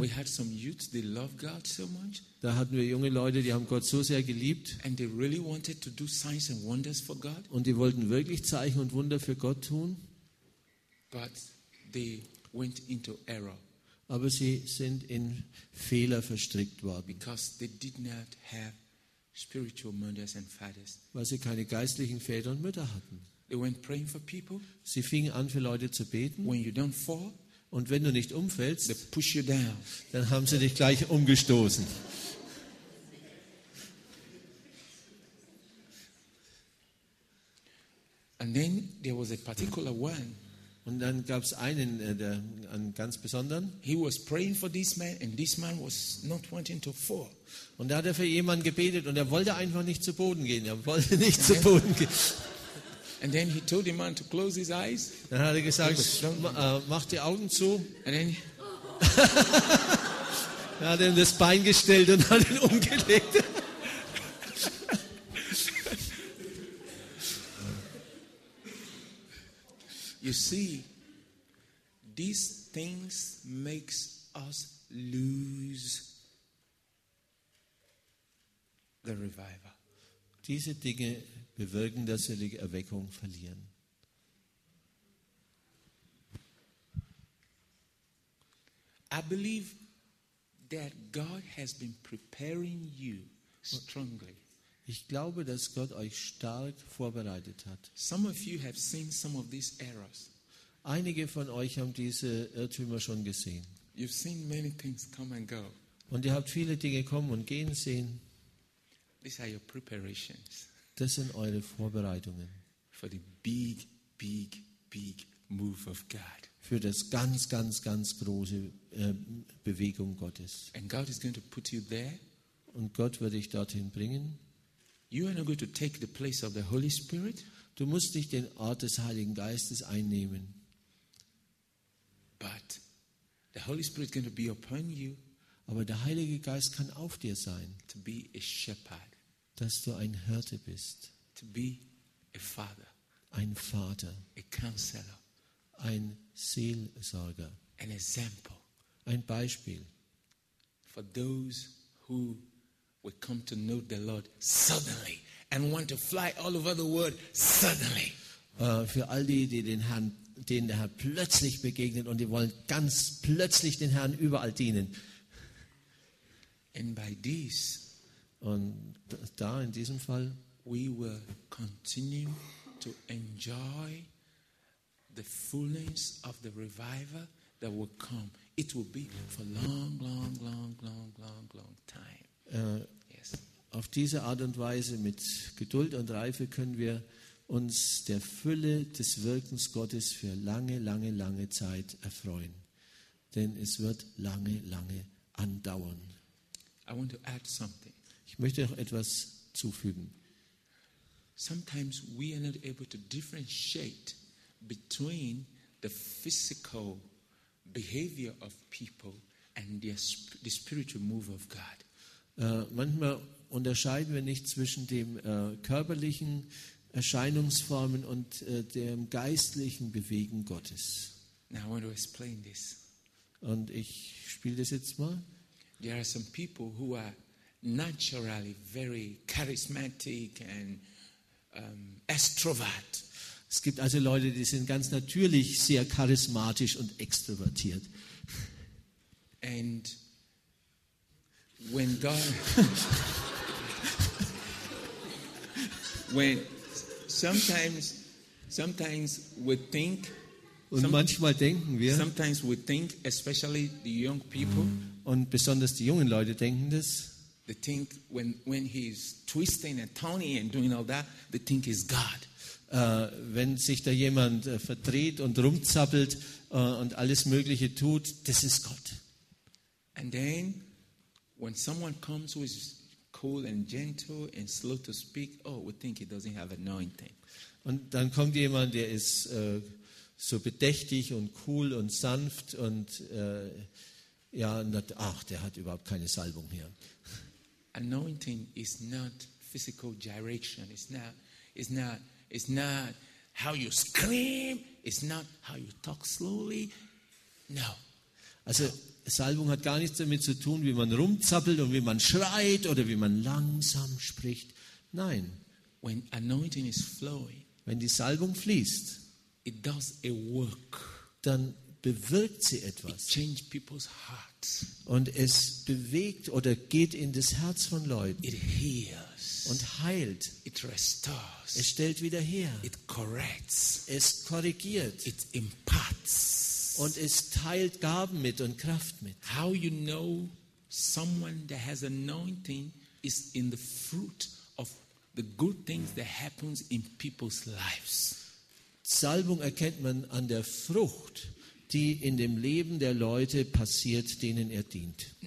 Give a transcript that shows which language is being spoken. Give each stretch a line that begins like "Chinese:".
English: we had some youths, they loved God so much,
German: da hatten wir junge Leute, die haben Gott so sehr geliebt,
English: and they really wanted to do signs and wonders for God,
German: und die wollten wirklich Zeichen und Wunder für Gott tun,
English: but they went into error.
German: Aber sie sind in Fehler verstrickt worden.
English: Because they did not have spiritual mothers and fathers.
German: Weil sie keine geistlichen Väter und Mütter hatten.
English: They went praying for people.
German: Sie fingen an, für Leute zu beten.
English: When you don't fall,
German: und wenn du nicht umfällst,
English: they push you down.
German: Dann haben sie dich gleich umgestoßen.
English: And then there was a particular one.
German: Und dann gab es einen, der, einen ganz besonderen.
English: He was praying for this man, and this man was not wanting to fall.
German: Und da hat er für jemanden gebetet, und er wollte einfach nicht zu Boden gehen. Er wollte nicht zu Boden gehen.
English: And then he told the man to close his eyes.
German: Dann hat er gesagt, mach die Augen zu.
English: And then
German: er hat ihm das Bein gestellt und hat ihn umgelegt.
English: You see, these things makes us lose the revival.
German: Diese Dinge bewirken, dass wir die Erweckung verlieren.
English: I believe that God has been preparing you strongly.
German: Ich glaube, dass Gott euch stark vorbereitet hat.
English: Some of you have seen some of these errors.
German: Einige von euch haben diese Irrtümer schon gesehen.
English: You've seen many things come and go.
German: Und ihr habt viele Dinge kommen und gehen sehen.
English: These are your preparations.
German: Das sind eure Vorbereitungen.
English: For the big, big, big move of God.
German: Für das ganz, ganz, ganz große Bewegung Gottes.
English: And God is going to put you there.
German: Und Gott wird dich dorthin bringen.
English: You are not going to take the place of the Holy Spirit.
German: Du musst nicht den Ort des Heiligen Geistes einnehmen.
English: But the Holy Spirit is going to be upon you.
German: Aber der Heilige Geist kann auf dir sein.
English: To be a shepherd.
German: Dass du ein Hirte bist.
English: To be a father.
German: Ein Vater.
English: A counselor.
German: Ein Seelsorger.
English: An example.
German: Ein Beispiel.
English: For those who we come to know the Lord suddenly and want to fly all over the world suddenly.
German: Für all die, die den Herrn, denen der Herr plötzlich begegnet und die wollen ganz plötzlich den Herrn überall dienen.
English: And by this,
German: und da in diesem Fall,
English: we will continue to enjoy the fullness of the revival that will come. It will be for long, long, long, long, long, long time.
German: Auf diese Art und Weise mit Geduld und Reife können wir uns der Fülle des Wirkens Gottes für lange, lange, lange Zeit erfreuen. Denn es wird lange, lange andauern.
English: I want to add something.
German: Ich möchte noch etwas zufügen.
English: Sometimes we are not able to differentiate between the physical behavior of people and the spiritual move of God.
German: Manchmal unterscheiden wir nicht zwischen dem körperlichen Erscheinungsformen und dem geistlichen Bewegen Gottes.
English: Now I want to explain this.
German: Und ich spiele das jetzt mal.
English: There are some people who are naturally very charismatic and extrovert.
German: Es gibt also Leute, die sind ganz natürlich sehr charismatisch und extrovertiert.
English: And when God when sometimes we think
German: und manchmal denken wir
English: sometimes we think especially the young people
German: und besonders die jungen Leute denken das
English: they think when he's twisting a Tony and doing all that they think he's God.
German: Wenn sich da jemand verdreht und rumzappelt und alles mögliche tut, das ist Gott.
English: And then when someone comes who is cool and gentle and slow to speak, oh, we think he doesn't have anointing.
German: Und dann kommt jemand, der ist so bedächtig und cool und sanft und der hat überhaupt keine Salbung mehr.
English: Anointing is not physical gyration. It's not how you scream. It's not how you talk slowly. No.
German: Also Salbung hat gar nichts damit zu tun, wie man rumzappelt und wie man schreit oder wie man langsam spricht. Nein.
English: When anointing is flowing,
German: wenn die Salbung fließt,
English: it does a work.
German: Dann bewirkt sie etwas.
English: It change people's hearts.
German: Und es bewegt oder geht in das Herz von Leuten.
English: It heals.
German: Und heilt.
English: It restores.
German: Es stellt wieder her.
English: It corrects.
German: Es korrigiert.
English: It imparts.
German: Und es teilt Gaben mit und Kraft mit.
English: How you know someone that has anointing is in the fruit of the good things that happens in people's lives.
German: Salbung erkennt man an der Frucht, die in dem Leben der Leute passiert, denen er dient.